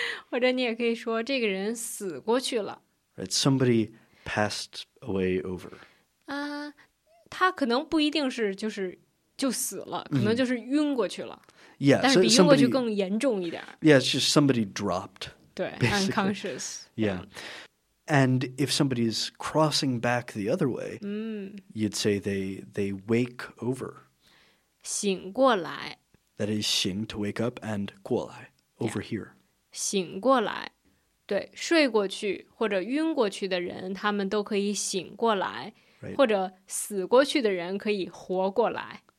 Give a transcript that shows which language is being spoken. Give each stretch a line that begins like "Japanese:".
Chinese: 或者你也可以说这个人死过去了。
English: Right, somebody passed away over.
Chinese: 他可能不一定是就是就死了，可能就是晕过去了。
English: Yeah,
Chinese: 但是比晕过去更严重一点。
English: Yeah, it's just somebody dropped. 对 ，unconscious. Yeah, And if somebody's crossing back the other way, you'd say they wake over.
Chinese: 醒过来。
English: That is 醒, to wake up, and 过来, over here.
Chinese: 醒过来。对，睡过去或者晕过去的人，他们都可以醒过来。
English: Right.
Chinese: 或者死过去的人可以活过来。